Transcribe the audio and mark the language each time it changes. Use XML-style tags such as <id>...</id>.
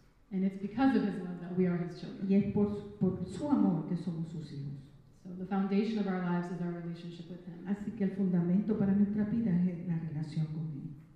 <en>And it's because of His love that we are His children.</en> <es>Y es por su amor que somos sus hijos. So the foundation of our lives is our relationship with Him. Así que el fundamento para nuestra vida es la relación con Él.</es>